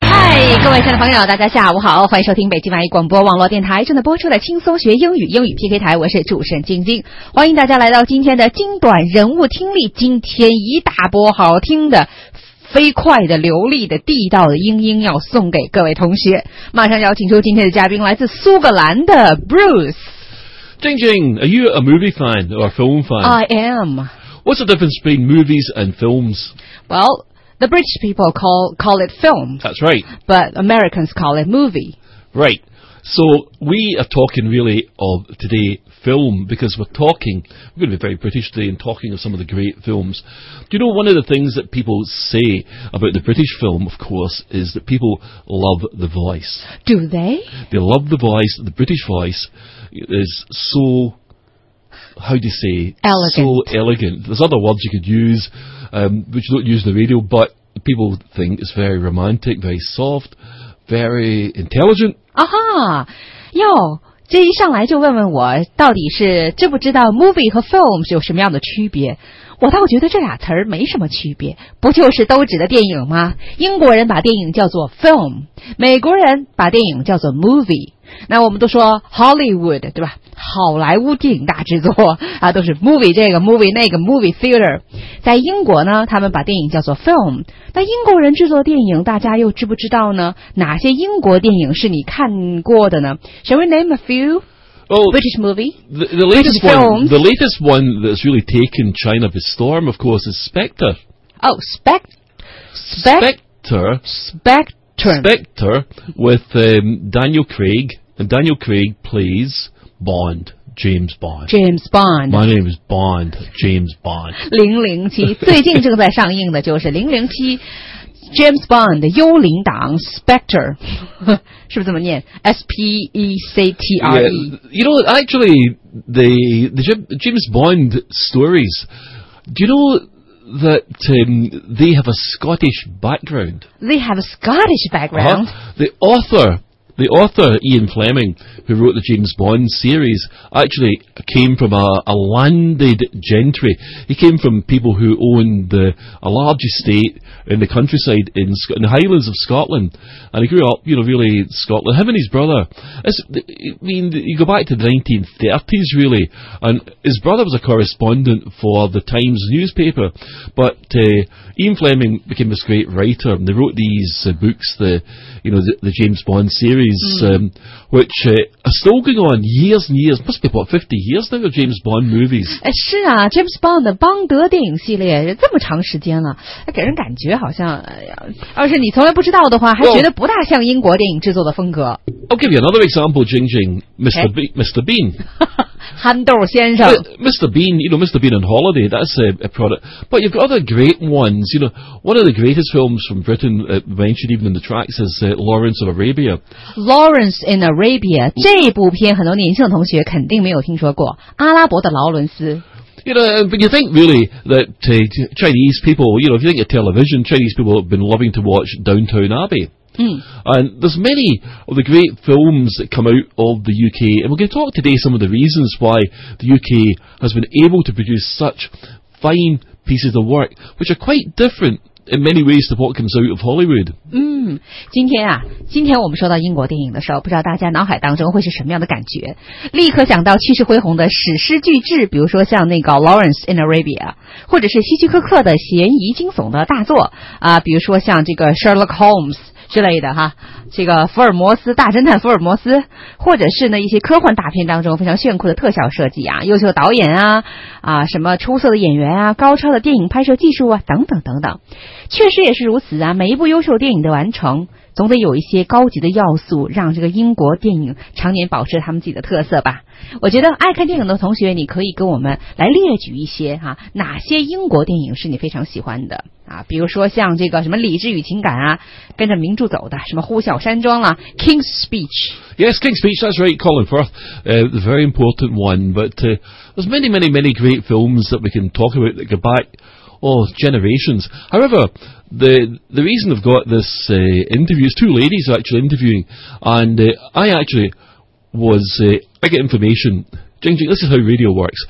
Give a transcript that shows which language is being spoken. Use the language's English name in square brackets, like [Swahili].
[Chinese] 晚上的朋友，大家下午好，欢迎收听北京万一广播网络电台正在播出的轻松学英语，英语 PK 台，我是主持人晶晶，欢迎大家来到今天的精短人物听力，今天一大波好听的飞快的流利的地道的英音要送给各位同学，马上邀请出今天的嘉宾，来自苏格兰的 Bruce。 [English] 晶晶， are you a movie fan or a film fan? I am. What's the difference between movies and films? Well,The British people call it film. That's right. But Americans call it movie. Right. So we are talking really of today film because we're going to be very British today and talking of some of the great films. Do you know one of the things that people say about the British film, of course, is that people love the voice. Do they? They love the voice. The British voice is so... How do you say? Elegant. So elegant. There's other words you could use, which you don't use the radio, but people think it's very romantic, very soft, very intelligent. Aha! [Chinese] Yo, 这一上来就问问我到底是知不知道 movie 和 film 是有什么样的区别。我倒觉得这俩词儿没什么区别，不就是都指的电影吗？英国人把电影叫做 film, 美国人把电影叫做 movie。那我们都说 Hollywood, 对吧？好莱坞电影大制作啊，都是 movie 这个 movie 那个 movie theater。在英国呢，他们把电影叫做 film。那英国人制作电影，大家又知不知道呢？哪些英国电影是你看过的呢 ？ [English] Shall we name a few? Well, British movie, the latest one, the latest one that's really taken China by storm, of course, is Spectre. Oh, Spectre with Daniel Craig, and Daniel Craig plays. Bond, James Bond. James Bond. My name is Bond, James Bond. 007, 最近正在上映的就是007, James Bond, 幽灵党 Spectre. 是不是这么念?S-P-E-C-T-R-E. Yeah, you know, actually, the James Bond stories, do you know... That they have a Scottish background. They have a Scottish background? The author, Ian Fleming, who wrote the James Bond series, actually came from a landed gentry. He came from people who owned a large estate in the countryside in the Highlands of Scotland. And he grew up, you know, really Scotland. Him and his brother, you go back to the 1930s, really, and his brother was a correspondent for the Times newspaper. But Ian Fleming became this great writer, and they wrote these books, the James Bond series. Which are still going on years and years. Must be about 50 years now of James Bond movies. [Chinese] 是啊 ,James Bond 的邦德电影系列这么长时间了给人感觉好像要是你从来不知道的话还觉得不大像英国电影制作的风格。 [English] I'll give you another example, Jingjing. Mr. Bean. [Chinese] 憨豆先生。 [English] Mr. Bean, you know, Mr. Bean on Holiday, that's a product. But you've got other great ones. You know, one of the greatest films from Britain mentioned even in the tracks is Lawrence of Arabia. [Chinese] Lawrence in Arabia 这部片很多年轻的同学肯定没有听说过阿拉伯的劳伦斯 [English] You know, but you think really that Chinese people, you know, if you think of television, Chinese people have been loving to watch Downton Abbey. And there's many of the great films that come out of the UK, and we're going to talk today some of the reasons why the UK has been able to produce such fine pieces of work, which are quite differentIn many ways, the what comes out of Hollywood. [Chinese] 今天啊，今天我们说到英国电影的时候，不知道大家脑海当中会是什么样的感觉？立刻想到气势恢宏的史诗巨制，比如说像那个《Lawrence in Arabia》，或者是希区柯克的悬疑惊悚的大作啊，比如说像这个《Sherlock Holmes》之类的哈，这个福尔摩斯大侦探福尔摩斯，或者是呢一些科幻大片当中非常炫酷的特效设计啊，优秀导演啊什么出色的演员啊，高超的电影拍摄技术啊，等等等等。确实也是如此啊，每一部优秀电影的完成总得有一些高级的要素，让这个英国电影常年保持他们自己的特色吧。我觉得爱看电影的同学，你可以跟我们来列举一些哈、啊，哪些英国电影是你非常喜欢的啊？比如说像这个什么《理智与情感》啊，跟着名著走的，什么《呼啸山庄》啊，《King's Speech》。 [English] Yes, King's Speech. That's right, Colin Firth. The very important one. But there's many, many, many great films that we can talk about that go back. Oh, generations. However, the reason I've got this interview is two ladies are actually interviewing, and I actually was, I get information, Jingjing, this is how radio works.